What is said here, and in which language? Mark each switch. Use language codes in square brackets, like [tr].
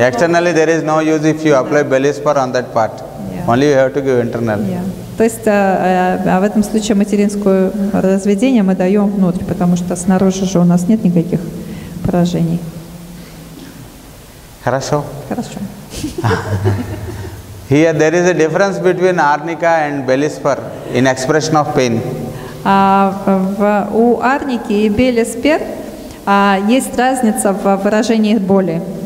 [en] Externally, there is no use if you apply Беллис Пер on that part. Yeah. Only you have to give internally. Yeah. [ru] То есть в этом случае материнское разведение мы даем внутрь, потому что снаружи же у нас нет никаких поражений. Хорошо. Хорошо. [en] Here there is a difference between arnica and belispar in expression of pain. [ru] У арники и белиспер есть разница в выражении боли.